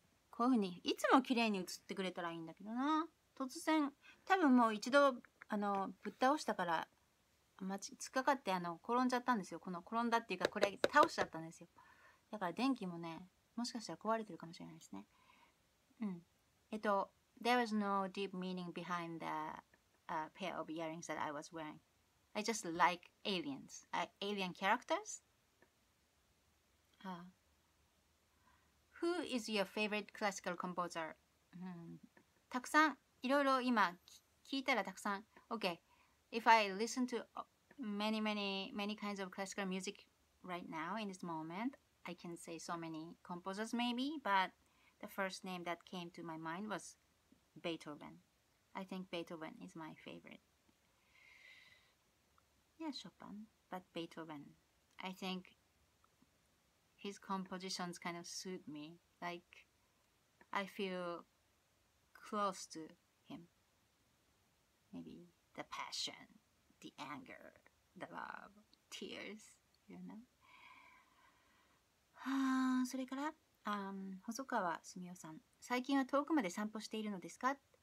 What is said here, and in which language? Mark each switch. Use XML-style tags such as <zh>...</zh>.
<ja>こういうふうにいつも綺麗に映ってくれたらいいんだけどな。突然、多分もう一度あのぶっ倒したから、まちつかかってあの転んじゃったんですよ。この転んだっていうか、これ倒しちゃったんですよ。だから電気もね、もしかしたら壊れてるかもしれないですね。うん。</ja> <en>There was no deep meaning behind the、pair of earrings that I was wearing. I just like aliens.、alien characters?、Who is your favorite classical composer?、</en> <ja>たくさん、いろいろ今聞いたらたくさん。</ja> <en>Okay, if I listen to many, many, many kinds of classical music right now in this moment, I can say so many composers maybe, but the first name that came to my mind was Beethoven. I think Beethoven is my favorite. Yeah, Chopin, but Beethoven. I think... His compositions kind of suit me. Like, I feel close to him. Maybe the passion, the anger, the love, tears, you know?</en> <ja>それから、細川すみおさん。最近は遠くまで散歩しているのですか？</ja>